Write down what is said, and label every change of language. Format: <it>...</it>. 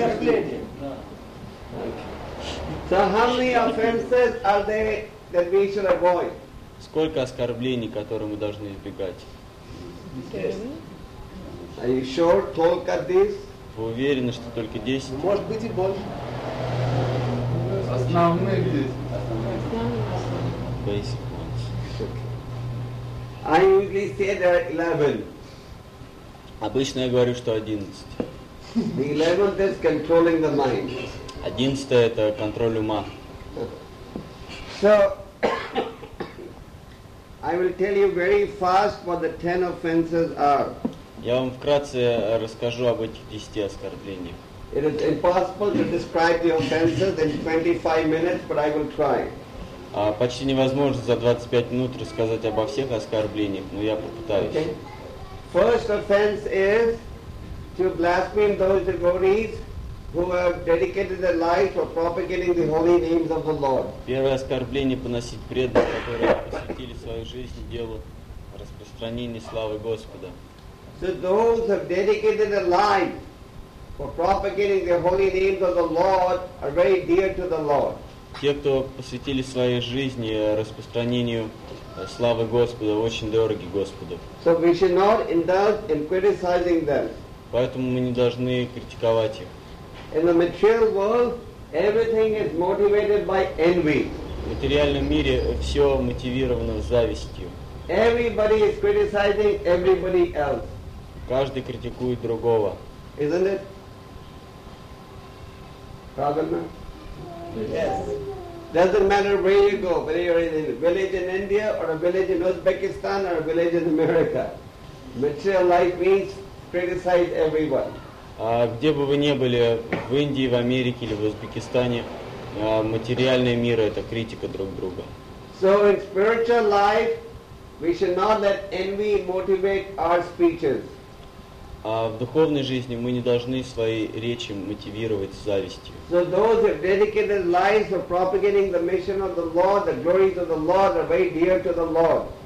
<en>So how many offenses are there that we should avoid?</en> <ru>Сколько оскорблений, которые мы должны избегать?</ru> <en>Are you sure</en> <ru>только 10? Вы уверены, что только 10? Может быть и больше. Основные 10.</ru> <en>Basic ones. Okay. I usually say there are 11.</en> <ru>Обычно я говорю, что 11.</ru> <en>The 11th is controlling the mind.</en> <ru>11 это контроль ума.</ru> <en>So I will tell you very fast what the 10 offenses are.</en> <ru>Я вам вкратце расскажу об этих 10 оскорблениях.</ru> <en>It is impossible to describe the offenses in 25 minutes, but I will try.</en> <ru>Почти невозможно за 25 минут рассказать обо всех оскорблениях, но я попытаюсь.</ru> <en>Okay. First offense is to blaspheme those devotees who have dedicated their lives for propagating the holy names of the Lord.</en> <ru>Первое оскорбление поносить преданных, которые посвятили свою жизнь делу распространения славы Господа.</ru> <en>So those who have dedicated their lives for propagating the holy names of the Lord are very dear to the Lord.</en> <ru>Те, кто посвятили своей жизни распространению славы Господа, очень дороги Господу.</ru> <en>So we should not indulge in criticizing them.</en> <ru>Поэтому мы не должны критиковать их.</ru> <en>In the material world, everything is motivated by envy.</en> <ru>В материальном мире все мотивировано завистью.</ru> <en>Everybody is criticizing everybody else.</en> <ru>Каждый критикует другого.</ru> <en>Isn't it?</en> <ru>Правильно?</ru> <en>Yes. Doesn't matter where you go, whether you're in a village in India or a village in Uzbekistan or a village in America. Material life means criticize everyone.</en> <ru>Где бы вы ни были, в Индии, в Америке или в Узбекистане, материальный мир – это критика друг друга.</ru> <en>So in spiritual life, we should not let envy motivate our speeches.</en> <ru>А в духовной жизни мы не должны свои речи мотивировать завистью.</ru> <en>So those who dedicated lives to propagating the mission of the Lord, the glories of the Lord, are very dear to the Lord.</en>